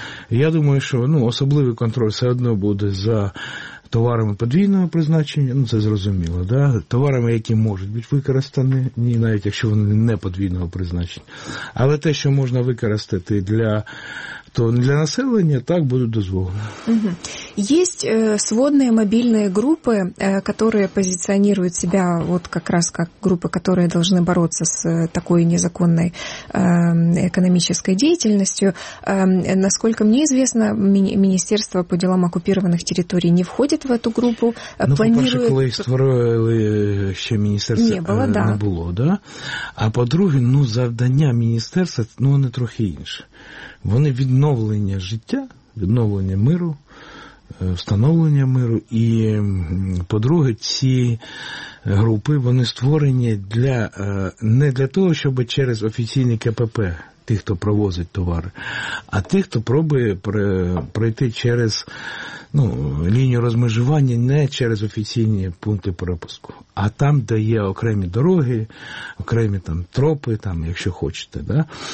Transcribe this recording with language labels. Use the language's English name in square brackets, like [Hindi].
[Ukrainian] Я думаю, що ну, особливий контроль все одно буде за товарами подвійного призначення, ну, це зрозуміло, да? Товарами, які можуть бути використані, навіть якщо вони не подвійного призначення. Але те, що можна використати для... то для населення так будуть дозволені. Угу. [Russian] Есть сводные мобильные группы, которые позиционируют себя вот как раз как группы, которые должны бороться с такой незаконной экономической деятельностью. Насколько мне известно, Министерство по делам оккупированных территорий не входит в эту группу. [Ukrainian] Ну, по-перше, коли створили ще Министерство, [Russian] не было, [Ukrainian] да. Не було, да? А по-друге, ну, завдання Министерства, ну, вони трохи інші. Вони відновлення життя, відновлення миру, встановлення миру. І, по-друге, ці групи, вони створені для, не для того, щоб через офіційні КПП, тих, хто провозить товари, а тих, хто пробує пройти через ну, лінію розмежування, не через офіційні пункти пропуску, а там, де є окремі дороги, окремі там, тропи, там, якщо хочете. Да?